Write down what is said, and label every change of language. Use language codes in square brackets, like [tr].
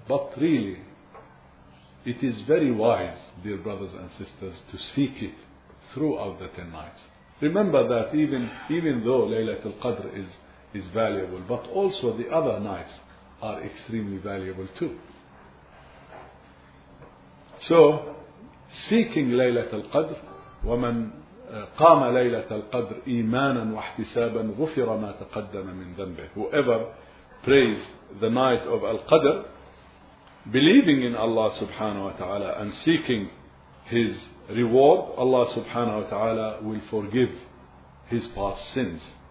[en] But really, it is very wise, dear brothers and sisters, to seek it throughout the 10 nights. Remember that even though Laylatul Qadr is valuable, but also the other nights are extremely valuable too. So, seeking Laylatul Qadr, [ar] وَمَنْ قَامَ لَيْلَةَ الْقَدْرِ إِيمَانًا وَاحْتِسَابًا غُفِرَ مَا تَقَدَّمَ مِنْ ذَنْبِهِ. [en] Whoever prays the night of Al-Qadr, believing in Allah subhanahu wa ta'ala and seeking his reward, Allah subhanahu wa ta'ala will forgive his past sins.